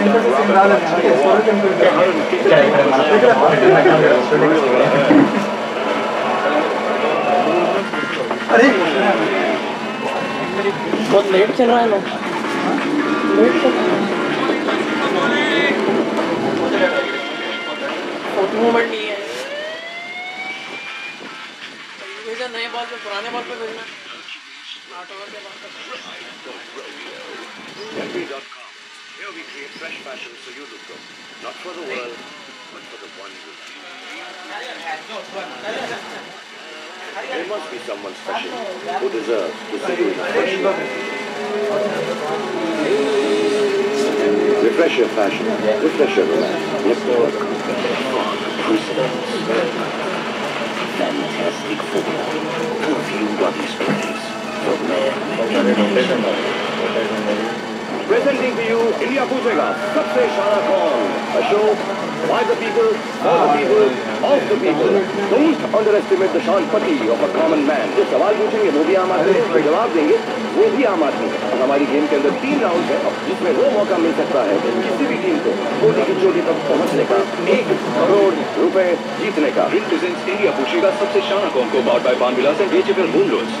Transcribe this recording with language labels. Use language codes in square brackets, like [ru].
[en] Yeah, I'm not going to do it. अरे [hi] बहुत late चल रहा है ना लेट चल रहा है फोटो मोमेंट नहीं है भेजा नए बॉल पे पुराने बॉल पे भेजना आठ ओवर के बाद [en] Here we create fresh fashion so you look good. Not for the world, but for the one you love. There must be someone special who deserves to see you in a fresh fashion. Refresh your fashion. Refresh your life. Look for a fantastic formula. Perfume body sprays. For men. Presenting to you India Pujega, Sabse Shara Kaun, a show by the people, for the people, of the people. Don't underestimate the shanpati of a common man. [hi] जो सवाल पूछेंगे वो भी आम आदमी है, जो जवाब देंगे वो भी आम आदमी है. और हमारी गेम के अंदर 3 राउंड्स है, जिसमें वो मौका मिल सकता है किसी भी टीम को कोटी की चोटी तक पहुँचने का, 1 करोड़ रुपये जीतने का. [en] Win presents India Pujega, Sabse Shara Kaun ko powered by Pan Vilas and HFL Moon Loans.